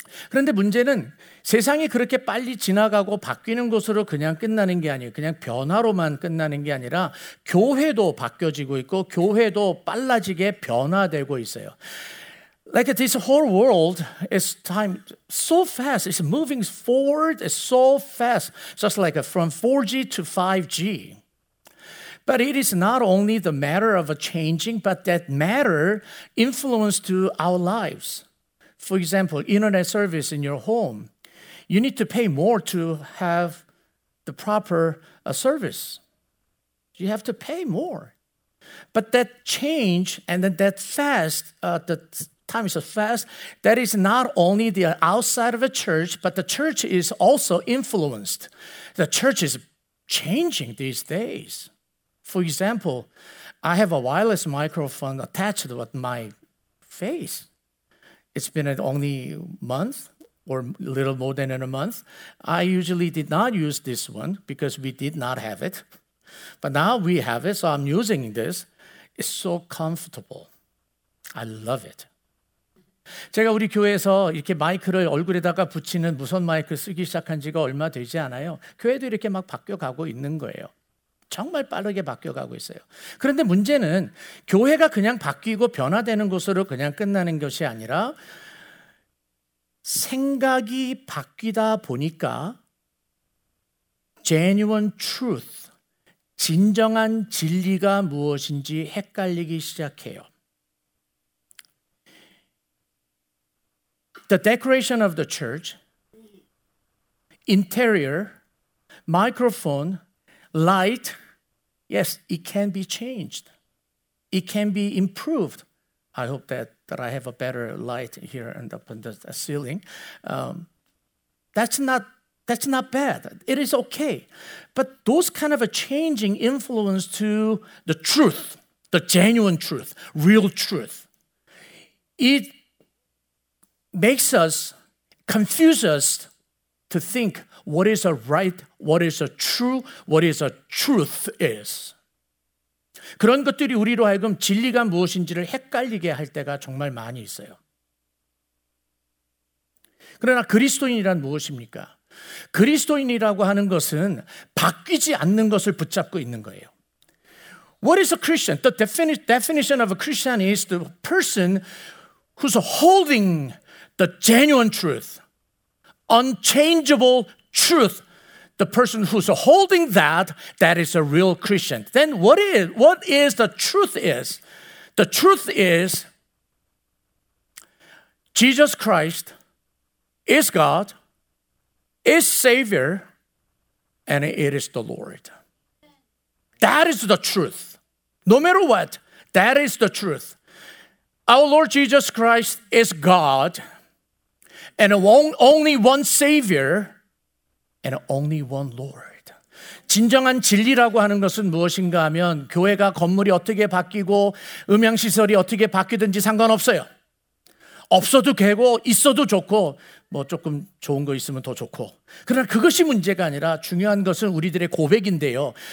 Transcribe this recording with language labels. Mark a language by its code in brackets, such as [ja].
[ko] 그런데 문제는 세상이 그렇게 빨리 지나가고 바뀌는 것으로 그냥 끝나는 게 아니에요. 그냥 변화로만 끝나는 게 아니라 교회도 바뀌어지고 있고 교회도 빨라지게 변화되고 있어요. [en] Like this whole world is time so fast. It's moving forward so fast. Just like from 4G to 5G. But it is not only the matter of a changing, but that matter influence to our lives. For example, internet service in your home, you need to pay more to have the proper service. You have to pay more. But that change and then that fast, the time is so fast, that is not only the outside of a church, but the church is also influenced. The church is changing these days. For example, I have a wireless microphone attached with my face. It's been only a month or a little more than a month. I usually did not use this one because we did not have it. But now we have it, so I'm using this. It's so comfortable. I love it. [ko] 제가 우리 교회에서 이렇게 마이크를 얼굴에다가 붙이는 무선 마이크 쓰기 시작한 지가 얼마 되지 않아요. 교회도 이렇게 막 바뀌어가고 있는 거예요. 정말 빠르게 바뀌어가고 있어요. 그런데 문제는 교회가 그냥 바뀌고 변화되는 것으로 그냥 끝나는 것이 아니라 생각이 바뀌다 보니까 [en] genuine truth, [ko] 진정한 진리가 무엇인지 헷갈리기 시작해요. [en] The decoration of the church, interior, microphone, light, yes, it can be changed. It can be improved. I hope that I have a better light here and up on the ceiling. That's not bad. It is okay. But those kind of a changing influence to the truth, the genuine truth, real truth, it makes us confused to think what is a right, what is a true, what is a truth is. [ko] 그런 것들이 우리로 하여금 진리가 무엇인지를 헷갈리게 할 때가 정말 많이 있어요. 그러나 그리스도인이란 무엇입니까? 그리스도인이라고 하는 것은 바뀌지 않는 것을 붙잡고 있는 거예요. [en] What is a Christian? The definition of a Christian is the person who's holding the genuine truth, unchangeable truth. The person who's holding that, that is a real Christian. Then what is the truth is? The truth is Jesus Christ is God, is Savior, and it is the Lord. That is the truth. No matter what, that is the truth. Our Lord Jesus Christ is God and only one Savior and only one Lord. [ko] 진정한 진리라고 하는 것은 무엇인가 하면 교회가 건물이 어떻게 바뀌고 음향시설이 어떻게 바뀌든지 상관없어요. 없어도 되고 있어도 좋고 뭐 조금 좋은 거 있으면 더 좋고. 그러나 그것이 문제가 아니라 중요한 것은 우리들의 고백인데요.